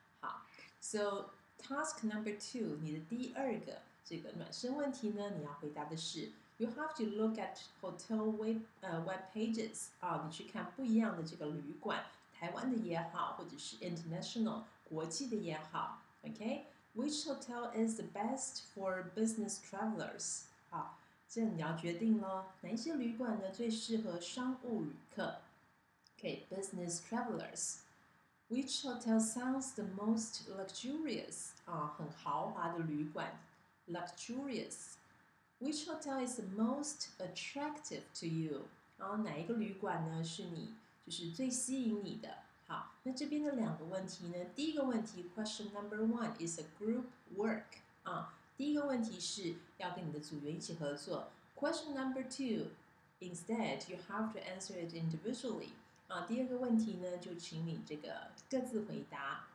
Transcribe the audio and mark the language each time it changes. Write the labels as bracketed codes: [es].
[zh] 好， [en] So task number 2， [zh] 你的第二个这个暖身问题呢，你要回答的是 [en] You have to look at hotel web pages、 [zh] 你去看不一样的这个旅馆，台湾的也好，或者是 international 国际的也好。 [en] OK, which hotel is the best for business travelers? [zh] 好，这你要决定咯，哪一些旅馆呢最适合商务旅客？ [en] OK, business travelers. Which hotel sounds the most luxurious?、 [zh] 很豪华的旅馆， [en] luxurious. Which hotel is the most attractive to you? [zh] 然后哪一个旅馆呢是你就是最吸引你的？好，那这边的两个问题呢，第一个问题 [en] question number 1 is a group work、 [zh] 第一个问题是要跟你的组员一起合作。 [en] Question number 2 instead you have to answer it individually、 [zh] 第二个问题呢就请你这个各自回答。